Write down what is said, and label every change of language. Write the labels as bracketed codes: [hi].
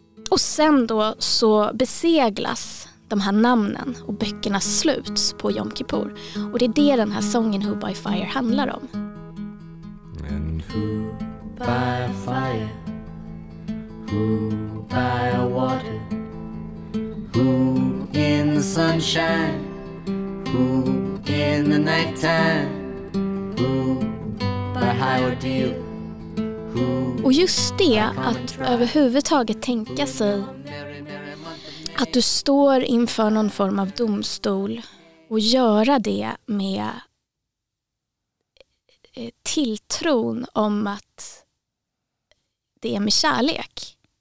[sv] Och sen då så beseglas de här namnen och böckerna sluts på Yom Kippur. Och det är det den här sången Who by Fire handlar om. [en] And who by fire, who by water, who in the sunshine, who in the night time, who by high ordeal, who. [sv] Och just det, att överhuvudtaget tänka sig att du står inför någon form av domstol och göra det med tilltron om att det är med kärlek.